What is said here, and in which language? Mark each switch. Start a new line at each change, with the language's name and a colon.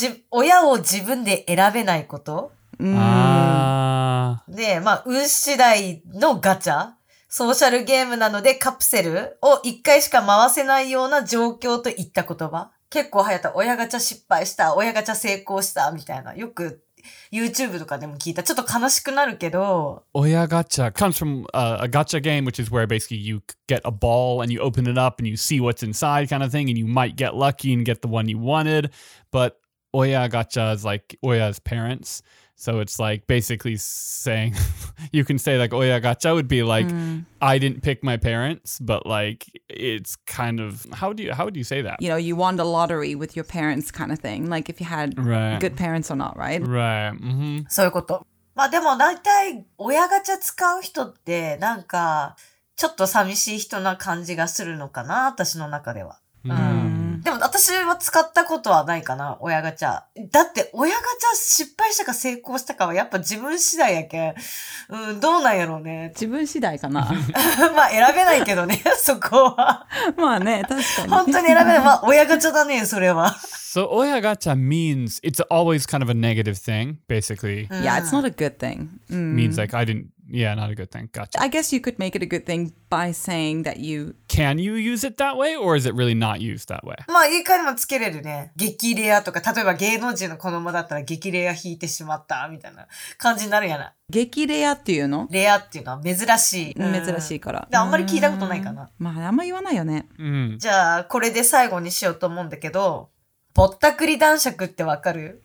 Japanese: 親を自分で選べないこと。で、まあ、運次第のガチャ。ソーシャルゲームなのでカプセルを一回しか回せないような状況といった言葉。結構流行った。親ガチャ失敗した。親ガチャ成功した。みたいな。よく。YouTube とかでも聞いた。ちょっと悲しくなるけど。
English: 親ガチャ comes from a gacha game, which is where basically you get a ball and you open it up and you see what's inside kind of thing, and you might get lucky and get the one you wanted. But 親ガチャ is like 親's parents. So it's like basically saying, you can say like 親ガチャ would be like, I didn't pick my parents, but like it's kind of, how would you say that? You know, you won the lottery with your parents kind of thing. Like if you had good parents or not, right? Right. Mm-hmm.
Japanese: そういうこと。まあでも大体親ガチャ使う人ってなんかちょっと寂しい人な感じがするのかな、私の中では。でも私は使ったことはないかな、親ガチャ。だって親ガチャ失敗したか成功したかはやっぱ自分次第やけん。どうなんやろうね。自分次第かな。まあ選べないけどね、そこは。まあね、確かに。本当に選べない。まあ親ガチャだね、それは。
English: So 親ガチャ means it's always kind of a negative thing, basically. Yeah, it's not a good thing. Means like I didn't Yeah, not a good thing. Gotcha. I guess you could make it a good thing by saying that you... Can you use it that way? Or is it really not used that way?
Japanese: まあ、言い換えもつけれるね。激レアとか、例えば芸能人の子供だったら激レア引いてしまったみたいな感じになるやな。激レアっていうの？レアっていうのは珍しい。珍しいから。あんまり聞いたことないかな。まあ、あんま言わないよね。じゃあ、これで最後にしようと思うんだけど、ぼったくり男爵ってわかる？